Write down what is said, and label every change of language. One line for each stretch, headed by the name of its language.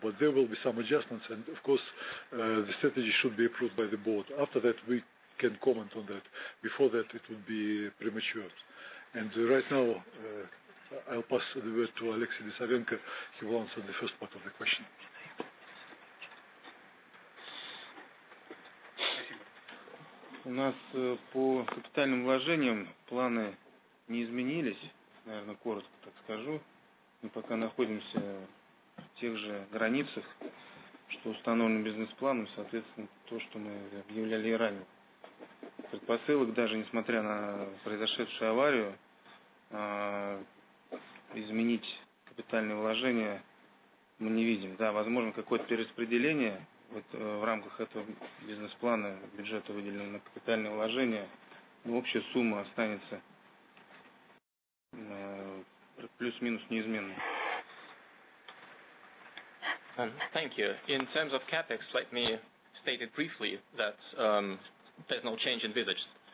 English: But there will be some adjustments, and, of course, the strategy should be approved by the board. After that, we can comment on that. Before that, it would be premature. And right now, I'll pass the word to Alexey Lisavenko. He will answer the first part of the question.
Russian: У нас по капитальным вложениям планы не изменились, наверное, коротко так скажу. Мы пока находимся в тех же границах, что установлено бизнес-планом, соответственно, то, что мы объявляли и ранее. Предпосылок, даже несмотря на произошедшую аварию, изменить капитальные вложения мы не видим. Да, возможно, какое-то перераспределение в рамках этого бизнес-плана, бюджета, выделенного на капитальные вложения, но общая сумма останется плюс-минус неизменной.
English: Thank you. In terms of CapEx, let me state it briefly that there's no change envisaged.